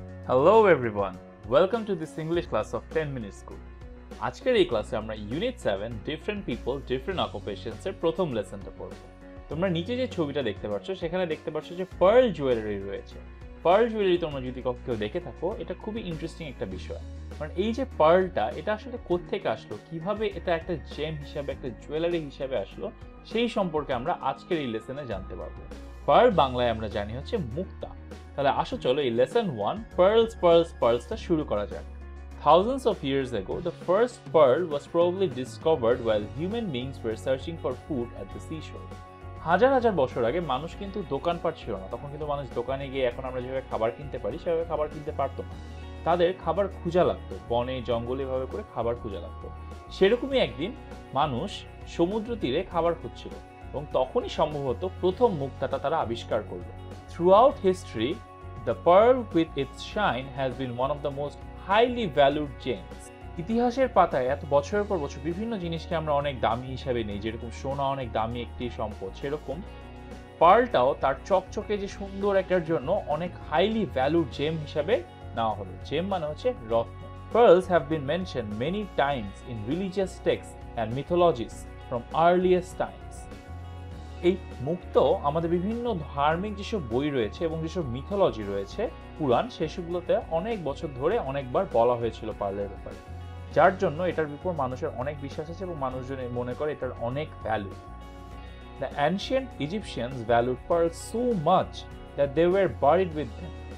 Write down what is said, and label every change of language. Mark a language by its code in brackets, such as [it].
[en] Hello everyone, welcome to this English class of 10 Minute School. [bn] আজকের এই ক্লাসে আমরা unit 7 different people different occupations এর প্রথম লেসনটা পড়ব। তোমরা নিচে যে ছবিটা দেখতে পাচ্ছো সেখানে দেখতে পাচ্ছো যে পার্ল জুয়েলারি রয়েছে। পার্ল জুয়েলারি তোমরা যদি কখনো দেখে থাকো এটা খুবই ইন্টারেস্টিং একটা বিষয়। কারণ এই যে পার্লটা এটা আসলে কোথা থেকে আসলো, কিভাবে এটা একটা জেম হিসেবে একটা জুয়েলারি হিসেবে আসলো সেই সম্পর্কে আমরা আজকের এই লেসনে জানতে পারব। পার্ল বাংলায় আমরা জানি হচ্ছে মুক্তা। তাহলে আসো চলো এই লেসন 1 পার্লস পার্লস পার্লসটা শুরু করা যাক। [en] Thousands of years ago, the first pearl was probably discovered while human beings were searching for food at the seashore. [bn] হাজার হাজার বছর আগে মানুষ কিন্তু দোকানপাট ছিল না, তখন কিন্তু মানুষ দোকানে গিয়ে এখন আমরা যেভাবে খাবার কিনতে পারি সেভাবে খাবার কিনতে পারত না। তাদের খাবার খোঁজা লাগতো, বনে জঙ্গলে এভাবে করে খাবার খোঁজা লাগতো। সেরকমই একদিন মানুষ সমুদ্র তীরে খাবার খুঁজছিল এবং তখনই সম্ভবত প্রথম মুক্তাটা তারা আবিষ্কার করলো। [en] Throughout history, the pearl with its shine has been one of the most highly valued gems. [bn] ইতিহাসের পাতায় এত বছরের পর বছর বিভিন্ন জিনিসকে আমরা অনেক দামি হিসাবে নিই, যেরকম সোনা অনেক দামি একটি সম্পদ, সেরকম পার্লটাও তার চকচকে যে সুন্দর একটার জন্য অনেক হাইলি ভ্যালুড জেম হিসাবে নেওয়া হলো। জেম মানে হচ্ছে রত্ন। [en] Pearls have been mentioned many times in religious texts and mythologies from earliest times. [bn] এই মুক্ত আমাদের বিভিন্ন ধার্মিক যেসব বই রয়েছে এবং যেসব মিথোলজি রয়েছে পুরাণ, সেসবগুলোতে অনেক বছর ধরে অনেকবার বলা হয়েছিল পার্লের ব্যাপারে, যার জন্য এটার বিপর মানুষের অনেক বিশ্বাস আছে এবং মানুষজন মনে করে এটার অনেক value. [en] The ancient Egyptians valued pearl so much that they were buried with them.